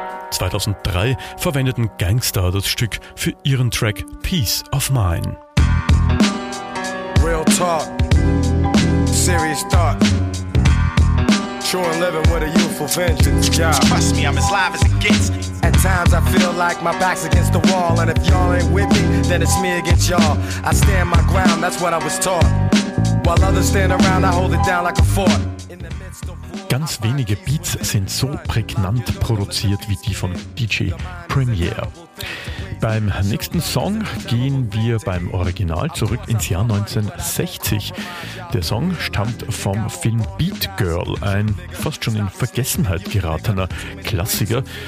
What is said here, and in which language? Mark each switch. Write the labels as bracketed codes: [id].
[de] '2003 verwendeten Gangsta das Stück für ihren Track Peace of Mind. [en] Real talk, serious thought. True and living with a youthful vengeance job. Trust me, I'm as live as it gets. At times I feel like my back's against the wall. And if y'all ain't with me, then it's me against y'all. I stand my ground, that's what I was taught. While others stand around, I hold it down like a fort. [de] Ganz wenige Beats sind so prägnant produziert wie die von DJ Premier. Beim nächsten Song gehen wir beim Original zurück ins Jahr 1960. Der Song stammt vom Film Beat Girl, ein fast schon in Vergessenheit geratener Klassiker.